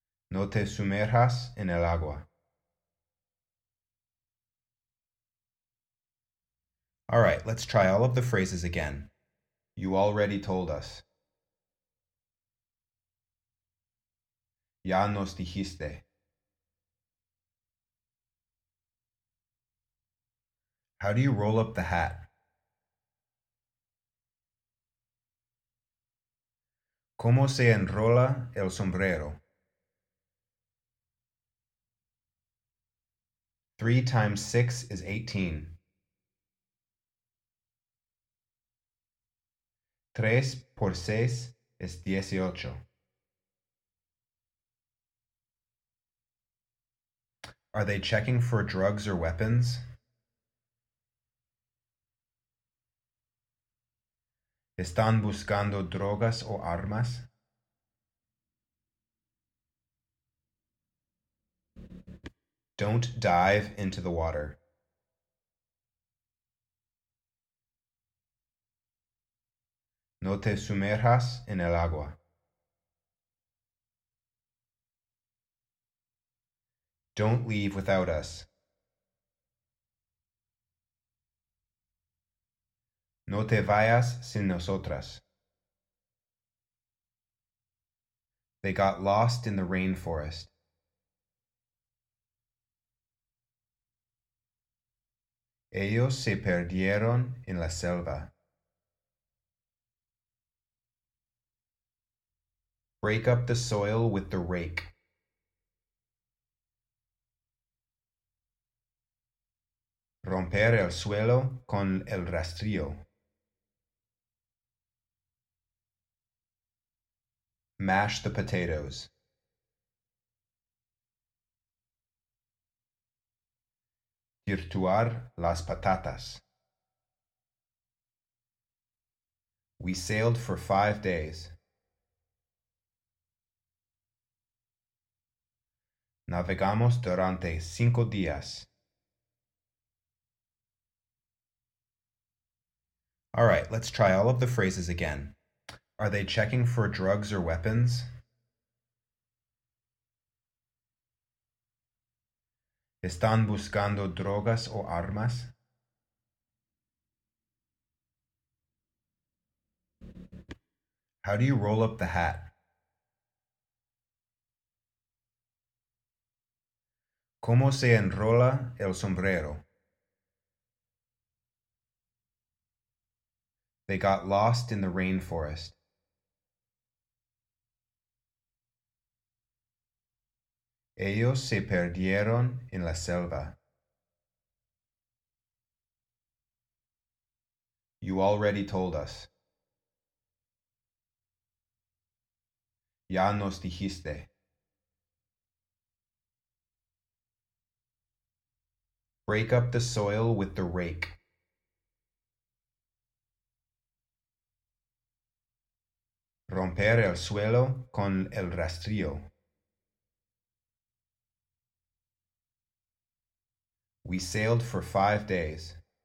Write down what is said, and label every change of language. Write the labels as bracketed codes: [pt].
[es] No te sumerjas en el agua. [en] All right, let's try all of the phrases again. You already told us. [es] Ya nos dijiste. [en] How do you roll up the hat? [es] ¿Cómo se enrola el sombrero? [en] 3 times 6 is 18. [es] 3 por 6 es 18. [en] Are they checking for drugs or weapons? [es] ¿Están buscando drogas o armas? [en] Don't dive into the water. [es] No te sumerjas en el agua. [en] Don't leave without us. [es] No te vayas sin nosotras. [en] They got lost in the rainforest. [es] Ellos se perdieron en la selva. [en] Break up the soil with the rake. [es] Romper el suelo con el rastrillo. [en] Mash the potatoes. [es] Tirtuar las patatas. [en] We sailed for 5 days. [es] Navegamos durante 5 días. [en] All right, let's try all of the phrases again. Are they checking for drugs or weapons? [es] ¿Están buscando drogas o armas? [en] How do you roll up the hat? [es] ¿Cómo se enrola el sombrero? [en] They got lost in the rainforest. [es] Ellos se perdieron en la selva. [en] You already told us. [es] Ya nos dijiste. [en] Break up the soil with the rake. [es] Romper el suelo con el rastrillo. [en] We sailed for 5 days.